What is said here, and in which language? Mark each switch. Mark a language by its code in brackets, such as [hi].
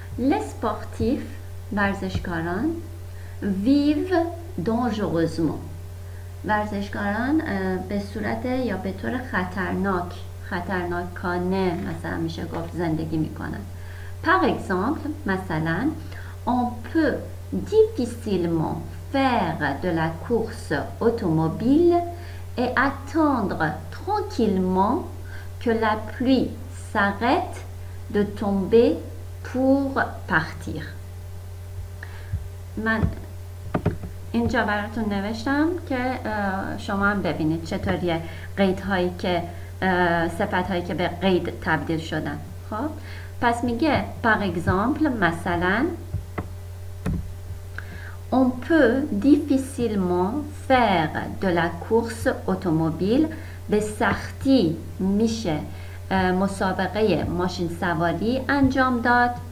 [fr] Les sportifs, [fa] ورزشکاران, [fr] vivent dangereusement. [fa] ورزشکاران به صورت یا به طور خطرناک خطرناکانه مثلا میشه گفت زندگی میکنن. [fr] Par exemple, [fa] مثلا [fr] on peut difficilement faire de la course automobile et attendre tranquillement que la pluie s'arrête de tomber pour partir. [fa] من اینجا براتون نوشتم که شما هم ببینید چطوریه قیدهایی که صفتهایی که به قید تبدیل شدن. خب پس میگه [fr] par exemple [fa] مثلا [fr] on peut difficilement faire de la course automobile [fa] به سختی میشه مسابقه ماشین سواری انجام داد